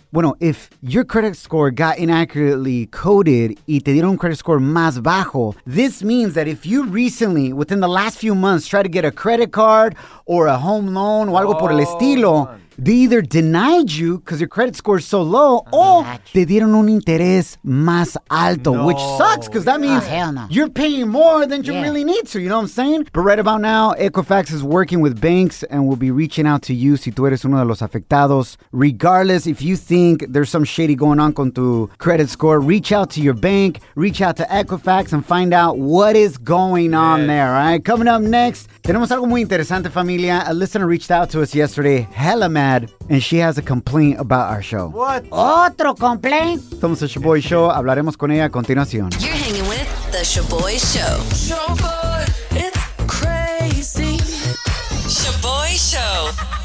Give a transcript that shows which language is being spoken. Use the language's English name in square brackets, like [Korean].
[English] Bueno, if your credit score got inaccurately coded [Spanish] y te dieron un credit score más bajo, [English] this means that if you recently, within the last few months, tried to get a credit card or a home loan [Spanish] o algo por el estilo, [English] they either denied you because your credit score is so low or [Spanish] te dieron un interés más alto, [English] which sucks because that means you're paying more than you really need to, you know what I'm saying? But right about now, Equifax is working with banks and will be reaching out to you [Spanish] si tú eres uno de los afectados. [English] Regardless, if you think there's some shady going on [Spanish] con tu [English] credit score, reach out to your bank, reach out to Equifax and find out what is going on there, all right? Coming up next, [Spanish] tenemos algo muy interesante, familia. [English] A listener reached out to us yesterday, hella mad, and she has a complaint about our show. What? [Spanish] ¿Otro complaint? Somos el Shaboy Show. Hablaremos con ella a continuación. [English] You're hanging with the Shaboy Show. Shaboy, it's crazy. Shaboy Show.